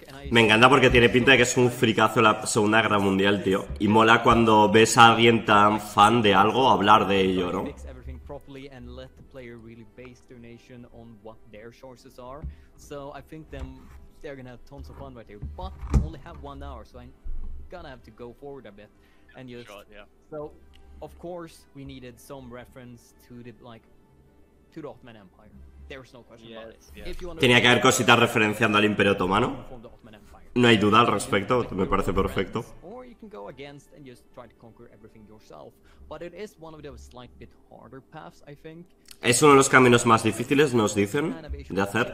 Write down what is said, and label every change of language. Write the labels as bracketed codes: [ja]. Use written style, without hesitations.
[es] Me encanta porque tiene pinta de que es un fricazo la Segunda Guerra Mundial, tío. Y mola cuando ves a alguien tan fan de algo hablar de ello, ¿no? [en] Properly and let the player really base their nation on what their sources are. So I think they're gonna have tons of fun right here. But we only have 1 hour, so I'm gonna have to go forward a bit. And just shot, yeah. So of course we needed some reference to the to the Ottoman Empire. There's no question about it. Yes. If you wanna... [es] Tenía que haber cositas referenciando al Imperio Otomano. No hay duda al respecto, me parece perfecto. [en] Can go against and just try to conquer everything yourself, but it is one of those slight bit harder paths, I think. [es] Es uno de los caminos más difíciles, nos dicen, de hacer.